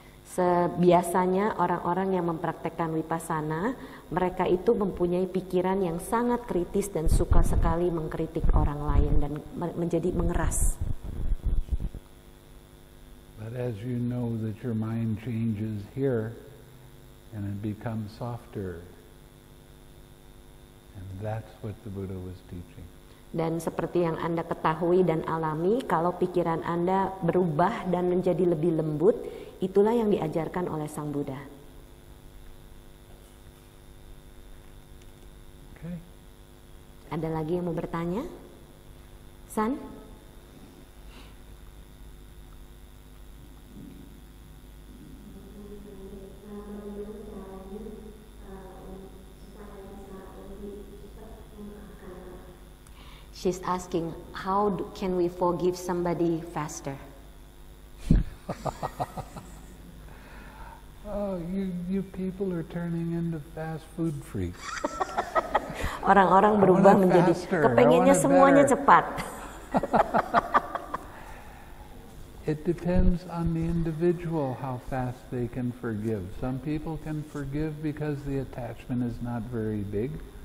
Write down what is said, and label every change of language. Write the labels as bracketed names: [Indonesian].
[Indonesian] Sebiasanya orang-orang yang mempraktekkan vipassana, mereka itu mempunyai pikiran yang sangat kritis dan suka sekali mengkritik orang lain dan menjadi mengeras. [English] But as you know that your mind changes here and it becomes softer. That's what the Buddha was teaching. [Indonesian] Dan seperti yang Anda ketahui dan alami, kalau pikiran Anda berubah dan menjadi lebih lembut, itulah yang diajarkan oleh Sang Buddha. [English] Okay. [Indonesian] Ada lagi yang mau bertanya? San? [English] She's asking, how can we forgive somebody faster? Oh, you people are turning into fast food freaks. [Indonesian] Orang-orang berubah menjadi kepengennya semuanya cepat. [English] It depends on the individual how fast they can forgive. Some people can forgive because the attachment is not very big.